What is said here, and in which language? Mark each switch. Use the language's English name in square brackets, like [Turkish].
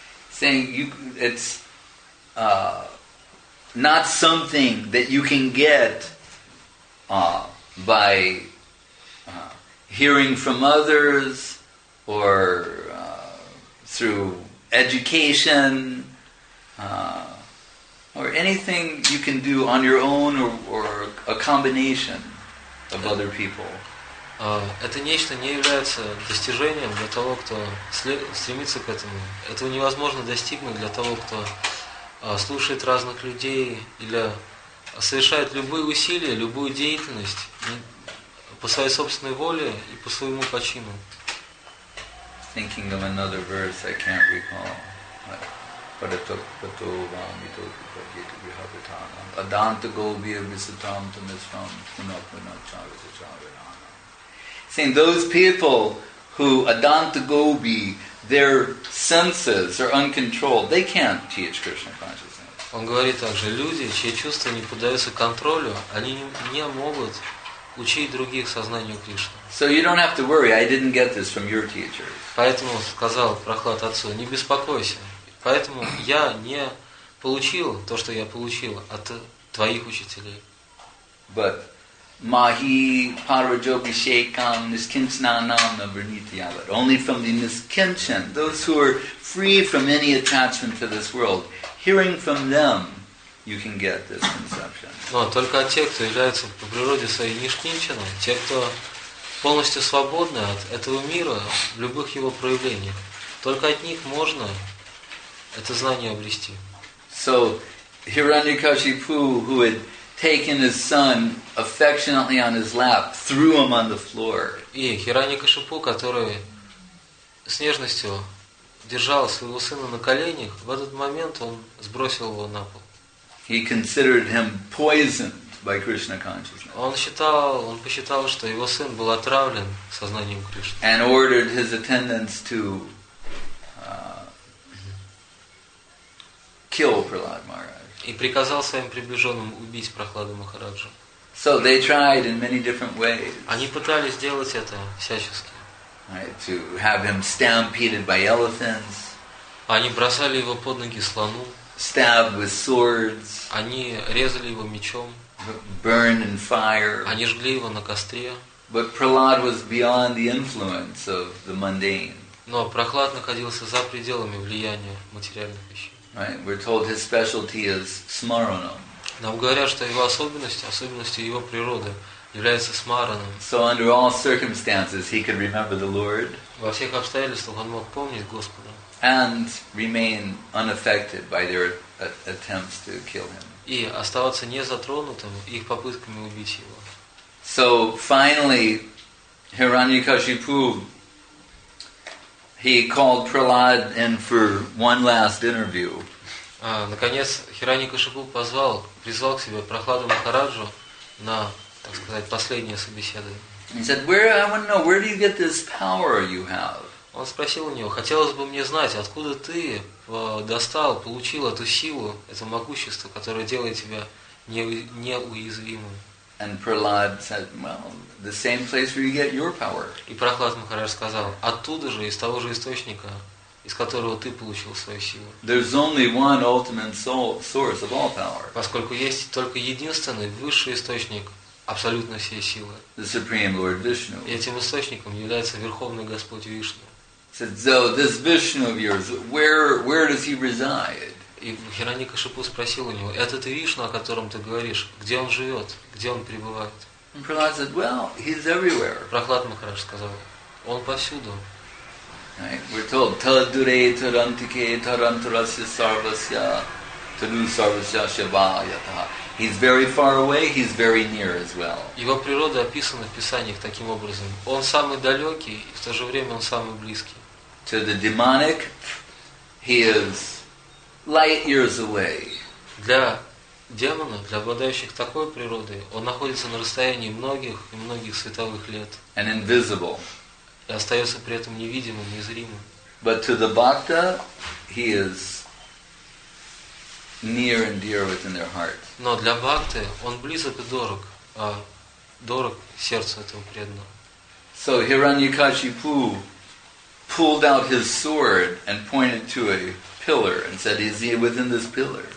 [English] Saying you, it's not something that you can get by hearing from others or through education or anything you can do on your own or a combination of other people. [Russian] Это нечто не является достижением для того, кто стремится к этому. Этого невозможно достигнуть для того, кто слушает разных людей или совершает любые усилия, любую деятельность по своей собственной воле и по своему почину. [English] Thinking of another verse, I can't recall. [Sanskrit] Padatokpato vamitokipadjeta vihabhatanam Adanta gobhya visatam tamisram punapunacharitacharitam. [English] Saying those people who Adanta Gobi, their senses are uncontrolled, they can't teach Krishna consciousness. [Russian] Он говорит также, люди, чьи чувства не поддаются контролю, они не могут учить других сознанию Кришны. [English] So you don't have to worry, I didn't get this from your teachers. [Russian] Поэтому сказал Прохлад отцу, не беспокойся. Поэтому я не получил то, что я получил от твоих учителей. [Sanskrit] But Mahi Parajobi Shekam Niskinchnanam Navrnityavat. [English] Only from the Niskinchan, those who are free from any attachment to this world, hearing from them, you can get this conception. [Russian] Но только от тех, кто является по природе своей Нишкинчаном, те, кто полностью свободны от этого мира, любых его проявлений, только от них можно это знание обрести. [English] So, Hiranyakashipu, who had taken his son affectionately on his lap, threw him on the floor. [Russian] И Хираньякашипу, который с нежностью держал своего сына на коленях, в этот момент он сбросил его на пол. [English] He considered him poisoned by Krishna consciousness. [Russian] Он посчитал, что его сын был отравлен сознанием Кришны. [English] And ordered his attendants to kill Prahlad Maharaj. [Russian] И приказал своим приближенным убить Прохладу Махараджу. [English] So they tried in many different ways. [Russian] Они пытались сделать это всячески. [English] Right, to have him stampeded by elephants. [Russian] Они бросали его под ноги слону. [English] Stabbed with swords. [Russian] Они резали его мечом. [English] Burned in fire. [Russian] Они жгли его на костре. [English] But Prahlad was beyond the influence of the mundane. [Russian] Но Прохлад находился за пределами влияния материальных вещей. [English] Right, we're told his specialty is smaranam. [Russian] Нам говорят, что его особенностью его природы является смаранам. [English] So under all circumstances, he could remember the Lord. [Russian] Во всех обстоятельствах он мог помнить Господа. [English] And remain unaffected by their attempts to kill him. [Russian] И оставаться незатронутым их попытками убить его. [English] So finally, Hiranyakashipu. He called Prahlad in for one last interview. [Russian] Наконец, Хираньякашипу призвал к себе Прохладу Махараджу на, так сказать, последнее собеседование. [English] He said, "Where I want to know, where do you get this power you have?" [Russian] Он спросил у него, хотелось бы мне знать, откуда ты достал, получил эту силу, это могущество, которое делает тебя неуязвимым. [English] And Prahlad said, "Well, the same place where you get your power." [Russian] И Прохлад Махарадж сказал, оттуда же, из того же источника, из которого ты получил свою силу. [English] There's only one ultimate source of all power. [Russian] Поскольку есть только единственный высший источник абсолютно всей силы. [English] The Supreme Lord Vishnu. [Russian] И этим источником является Верховный Господь Вишну. [English] Said, "So this Vishnu of yours, where does he reside?" [Russian] И Хираньякашипу спросил у него, этот Вишну, о котором ты говоришь, где он живет, где он пребывает? [English] Prahlad said, "Well, he's everywhere." [Russian] Прохлад Махарадж сказал, он повсюду. [English] Right. We're told, [Sanskrit] "Tadure tarantike tarantarasya sarvasya tadu sarvasya shivayata." [English] He's very far away, he's very near as well. [Russian] Его природа описана в писаниях таким образом. Он самый далекий, и в то же время он самый близкий. [English] To the demonic, he is light years away. [Russian] Для демона, для обладающих такой природой, он находится на расстоянии многих и многих световых лет. [English] And invisible. [Russian] И остается при этом невидимым, незримым. [English] But to the bhakta, he is near and dear within their heart. [Russian] Но для бхакты он близок и дорог, а дорог сердцу этого преданного. [English] So Hiranyakashipu pulled out his sword and pointed to a pillar and said, "Is he within this pillar?"